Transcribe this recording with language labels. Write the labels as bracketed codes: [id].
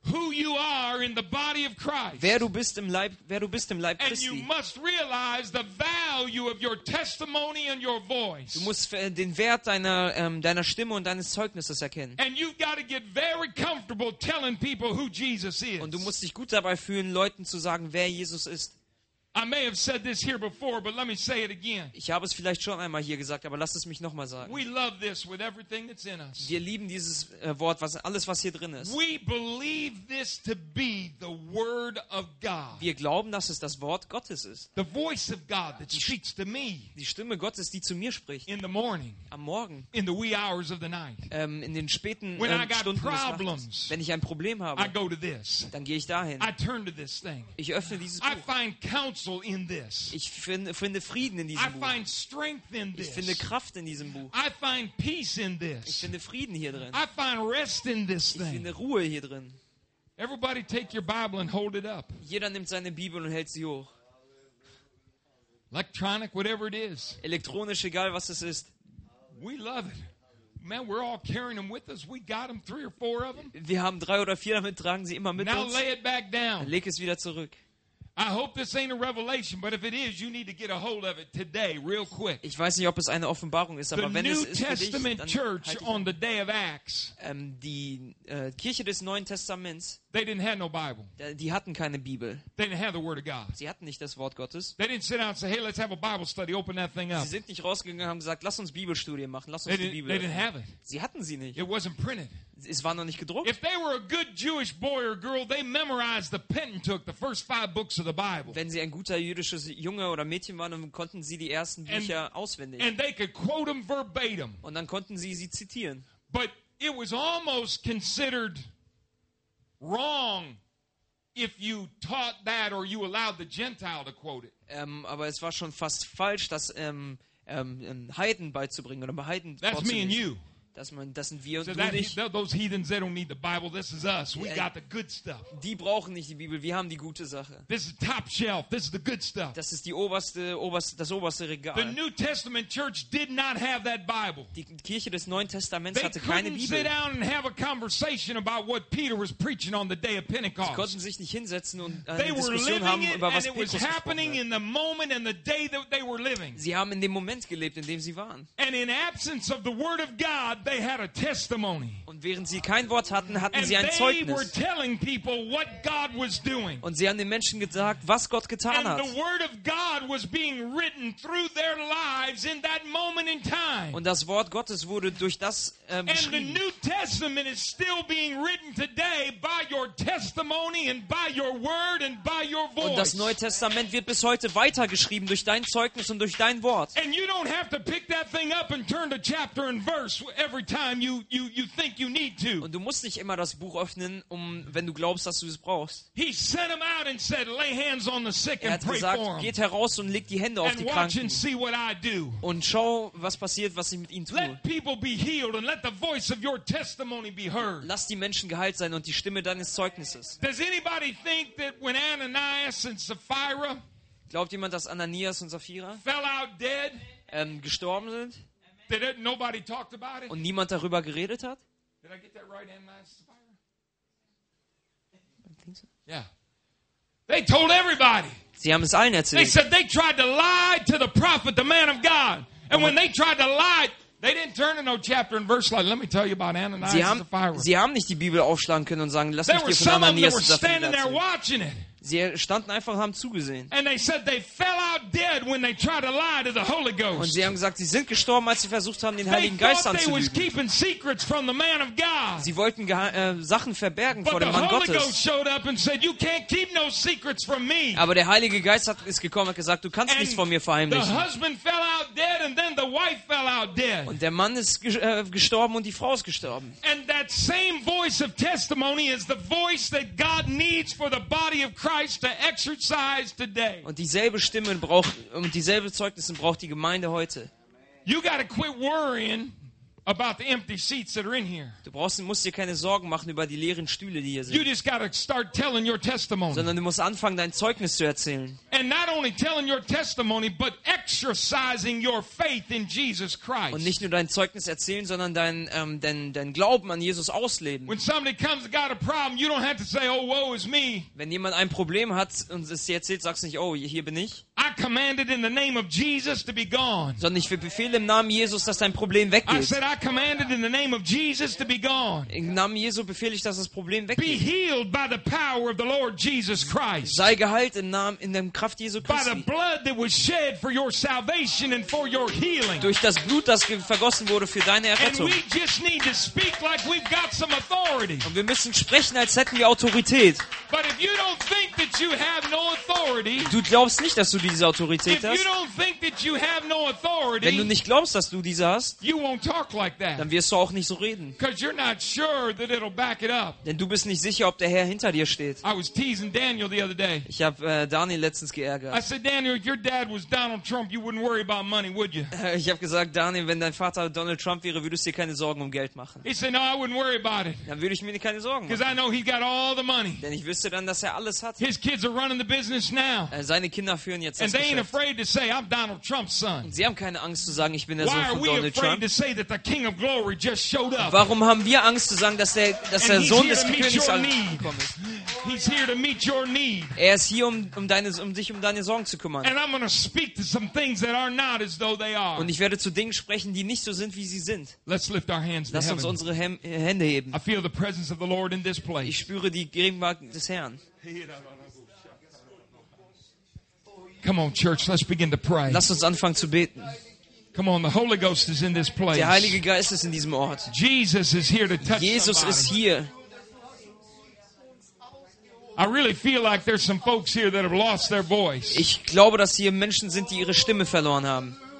[en] who you are in the body of Christ. [de] Wer du bist im Leib Christi. [en] And you must realize the value of your testimony and your voice. [de] Du musst den Wert deiner Stimme und deines Zeugnisses erkennen. [en] And you've got to get very comfortable telling people who Jesus is. [de] Und du musst dich gut dabei fühlen, Leuten zu sagen, wer Jesus ist. [en] I may have said this here before, but let me say it again. [de] Ich habe es vielleicht schon einmal hier gesagt, aber lass es mich nochmal sagen. [en] We love this with everything that's in us. [de] Wir lieben dieses Wort, alles was hier drin ist. [en] We believe this to be the word of God. [de] Wir glauben, dass es das Wort Gottes ist. [en] The voice of God that speaks to me. [de] Die Stimme Gottes, die zu mir spricht. [en] In the morning. [de] Am Morgen. [en] In the wee hours of the night. [de] In den späten Stunden des Nachts. Wenn ich ein Problem habe, [en] I go to this. [de] Dann gehe ich dahin. [en] I turn to this thing. [de] Ich öffne dieses Buch. [en] I find counsel. [de] Ich finde Frieden in diesem Buch. [en] I find strength in this. [de] Ich finde Kraft in diesem Buch. [en] I find peace in this. [de] Ich finde Frieden hier drin. [en] I find rest in this thing. [de] Ich finde Ruhe hier drin. [en] Everybody take your Bible and hold it up. [de] Jeder nimmt seine Bibel und hält sie hoch. [en] Electronic, whatever it is. [de] Elektronisch, egal was es ist. [en] We love it. Man, we're all carrying them with us. We got them, three or four of them. [de] Wir haben drei oder vier damit, tragen sie immer mit uns. [en] Now lay it back down. [de] Leg es wieder zurück. [en] I hope this ain't a revelation, but if it is, you need to get a hold of it today, real quick. [de] Ich weiß nicht, ob es eine Offenbarung ist, aber wenn es ist, [en] the New Testament Church on the day of Acts. [de] Die Kirche des Neuen Testaments. [en] They didn't have no Bible. [de] Die hatten keine Bibel. [en] They didn't have the Word of God. [de] Sie hatten nicht das Wort Gottes. [en] They didn't sit out and say, "Hey, let's have a Bible study. Open that thing up." [de] Sie sind nicht rausgegangen und haben gesagt, lass uns Bibelstudien machen, lass uns die Bibel. [en] They didn't have it. [de] Sie hatten sie nicht. [en] It wasn't printed. [de] Es war noch nicht gedruckt. [en] If they were a good Jewish boy or girl, they memorized the Pentateuch, the first five books of the Bible. [de] Wenn sie ein guter jüdisches Junge oder Mädchen waren, dann konnten sie die ersten Bücher auswendig. [en] And they could quote them verbatim. [de] Und dann konnten sie zitieren. [en] But it was almost considered wrong if you taught that or you allowed the Gentile to quote it. [de] Aber es war schon fast falsch, das Heiden beizubringen oder Heiden vorzulesen. [en] That's me and you. [de] Das sind wir und du nicht. [en] Those heathens, they don't need the Bible. This is us. We got the good stuff. [de] Die brauchen nicht die Bibel. Wir haben die gute Sache. [en] This is top shelf. This is the good stuff. [de] Das ist das oberste Regal. [en] The New Testament Church did not have that Bible. [de] Die Kirche des Neuen Testaments hatte keine Bibel. [en] They couldn't sit down and have a conversation about what Peter was preaching on the day of Pentecost. [de] Sie konnten sich nicht hinsetzen und eine Diskussion haben über was Petrus gesprochen hat. [en] They were living it, and it was happening. [de] Sie haben in dem Moment gelebt, in dem sie waren. [en] And in absence of the Word of God, they had a testimony. [de] Und während sie kein Wort hatten, hatten sie ein Zeugnis. [en] And they were telling people what God was doing. [de] Und sie haben den Menschen gesagt, was Gott getan hat. [en] And the word of God was being written through their lives in that moment in time. [de] Und das Wort Gottes wurde durch das geschrieben. [en] And the New Testament is still being written today by your testimony and by your word and by your voice. [de] Und das Neue Testament wird bis heute weitergeschrieben durch dein Zeugnis und durch dein Wort. [en] And you don't have to pick that thing up and turn to chapter and verse every time you think you need to. [de] Und du musst nicht immer das Buch öffnen, wenn du glaubst, dass du es brauchst. [en] He sent him out and said, lay hands on the sick and pray for him. [de] Geht heraus und legt die Hände auf die Kranken. [en] And watch and see what I do. [de] Und schau, was passiert, was ich mit ihnen tue. [en] Let people be healed and let the voice of your testimony be heard. [de] Lass die Menschen geheilt sein und die Stimme deines Zeugnisses. [en] Does anybody think that when Ananias and Sapphira, [de] glaubt jemand, dass Ananias und Sapphira [en] fell out dead, [de] gestorben sind? [en] That nobody talked about it. [de] Und niemand darüber geredet hat? [en] Did I get that right, Ananias? I think so. Yeah. They told everybody. [de] Sie haben es allen erzählt. [en] They said they tried to lie to the prophet, the man of God. And when they tried to lie, they didn't turn to no chapter and verse like, let me tell you about Ananias and Sapphira. [de] Sie haben nicht die Bibel aufschlagen können und sagen, lass mich dir von Ananias und Sapphira erzählen. [en] They were standing there watching it. [de] Sie standen einfach und haben zugesehen. [en] And they said they fell out dead when they tried to lie to the Holy Ghost. [de] Und sie haben gesagt, sie sind gestorben, als sie versucht haben, den Heiligen Geist anzulügen. [en] They thought they was keeping secrets from the man of God. [de] Sie wollten Sachen verbergen vor dem Mann Gottes. [en] But the Holy Ghost showed up and said, you can't keep no secrets from me. [de] Aber der Heilige Geist ist gekommen und hat gesagt, du kannst nichts von mir verheimlichen. [en] The husband fell out dead and then the wife fell out dead. [de] Und der Mann ist gestorben und die Frau ist gestorben. [en] And that same voice of testimony is the voice that God needs for the body of Christ to exercise today. [de] Und dieselbe Stimme braucht und dieselbe Zeugnisse braucht die Gemeinde heute. [en] You got to quit worrying about the empty seats that are in here. [de] Du brauchst, musst dir keine Sorgen machen über die leeren Stühle, die hier sind. [en] You just gotta start telling your testimony. [de] Sondern du musst anfangen, dein Zeugnis zu erzählen. [en] And not only telling your testimony, but exercising your faith in Jesus Christ. [de] Und nicht nur dein Zeugnis erzählen, sondern dein Glauben an Jesus ausleben. [en] When somebody comes and got a problem, you don't have to say, "Oh, woe is me." [de] Wenn jemand ein Problem hat und es dir erzählt, sagst du nicht, "Oh, hier bin ich." [en] I commanded in the name of Jesus to be gone. [de] Sondern ich befehle im Namen Jesus, dass dein Problem weggeht. [en] I commanded in the name of Jesus to be gone. [de] Im Namen Jesu befehle ich, dass das Problem weggeht. [en] Be healed by the power of the Lord Jesus Christ. [de] Sei geheilt im Namen in der Kraft Jesu Christi. [en] By the blood that was shed for your salvation and for your healing. [de] Durch das Blut, das vergossen wurde für deine Errettung. [en] And we just need to speak like we've got some authority. [de] Und wir müssen sprechen, als hätten wir Autorität. [en] But if you don't think that you have no authority, [de] du glaubst nicht, dass du diese Autorität hast. [en] If you don't think that you have no authority, [de] wenn du nicht glaubst, dass du diese hast, [en] you won't talk like that. [de] Dann wirst du auch nicht so reden. [en] Because you're not sure that it'll back it up. [de] Denn du bist nicht sicher, ob der Herr hinter dir steht. [en] I was teasing Daniel the other day. [de] Ich habe Daniel letztens geärgert. [en] I said, Daniel, if your dad was Donald Trump, you wouldn't worry about money, would you? [de] Ich habe gesagt, Daniel, wenn dein Vater Donald Trump wäre, würdest du dir keine Sorgen um Geld machen. [en] He said, no, I wouldn't worry about it. [de] Dann würde ich mir keine Sorgen machen. [en] Because I know he's got all the money. [de] Denn ich wüsste dann, dass er alles hat. [en] His kids are running the business now. [de] Seine Kinder führen jetzt [en] and [de] das [en] they [de] Geschäft. [en] Ain't afraid to say, I'm Donald Trump's son. [de] Sie haben keine Angst zu sagen, ich bin der Sohn von Donald Trump. [en] Why are we afraid to say that the King of Glory just showed up? [de] Warum haben wir Angst zu sagen, dass der Sohn des Königs angekommen ist? [en] He's here to meet your need. [de] Er ist hier, um dich um deine Sorgen zu kümmern. [en] And I'm going to speak to some things that are not as though they are. [de] Und ich werde zu Dingen sprechen, die nicht so sind, wie sie sind. [en] Let's lift our hands to heaven. [de] Lass uns unsere Hände heben. [en] I feel the presence of the Lord in this place. [de] Ich spüre die Gegenwart des Herrn. [en] Come on, church, let's begin to pray. [de] Lass uns anfangen zu beten. [en] Come on, the Holy Ghost is in this place. [de] Der Heilige Geist ist in diesem Ort. [en] Jesus is here to touch. Jesus somebody. [de] Ist hier. [en] I really feel like there's some folks here that have lost their voice. [de] Ich glaube, dass hier Menschen sind, die ihre Stimme verloren haben.